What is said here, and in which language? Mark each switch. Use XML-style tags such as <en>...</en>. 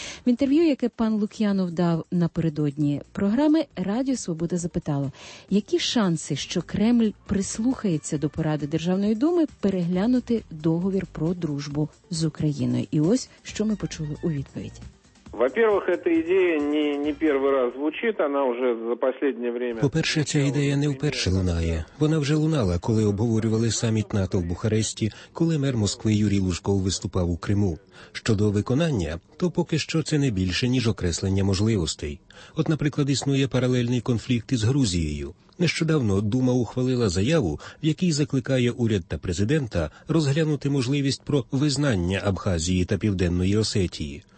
<uk>В інтерв'ю, яке пан Лук'янов дав напередодні програми, Радіо Свобода запитало, які шанси, що Кремль прислухається до поради Державної Думи переглянути договір про дружбу з Україною. І ось, що ми почули у відповіді.</uk> <ru>Во-первых, эта идея не первый раз звучит, она уже за последнее время.</ru> <uk>По-перше, ця ідея не вперше лунає. Вона вже лунала, коли обговорювали саміт НАТО в Бухаресті, коли мер Москви Юрій Лужков виступав у Криму. Щодо виконання, то поки що це не більше, ніж окреслення можливостей. От, наприклад, існує паралельний конфлікт із Грузією. Нещодавно Дума ухвалила заяву, в якій закликає уряд та президента розглянути можливість про визнання Абхазії та Південної Осетії.</uk>